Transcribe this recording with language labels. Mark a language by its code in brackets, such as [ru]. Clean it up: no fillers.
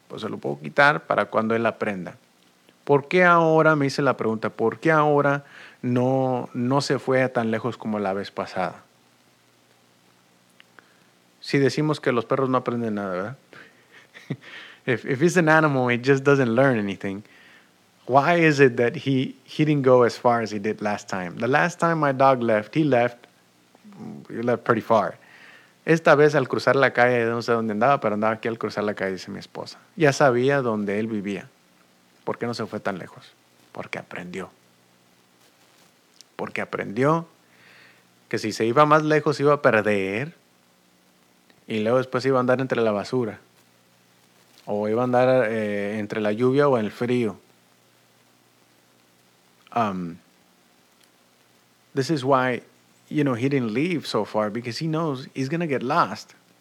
[es] Pues se lo puedo quitar para cuando él aprenda. ¿Por qué ahora, me hice la pregunta, por qué ahora no se fue tan lejos como la vez pasada? Si decimos que los perros no aprenden nada, ¿verdad? [en] If it's an animal, it just doesn't learn anything. Why is it that he didn't go as far as he did last time? The last time my dog left, he left pretty far. [es] Esta vez al cruzar la calle, no sé dónde andaba, pero andaba aquí al cruzar la calle, dice mi esposa. Ya sabía dónde él vivía. ¿Por qué no se fue tan lejos? Porque aprendió. Porque aprendió que si se iba más lejos iba a perder y luego después iba a andar entre la basura o iba a andar entre la lluvia o en el frío. [en] This is why, you know, he didn't leave so far because he knows he's going to get lost.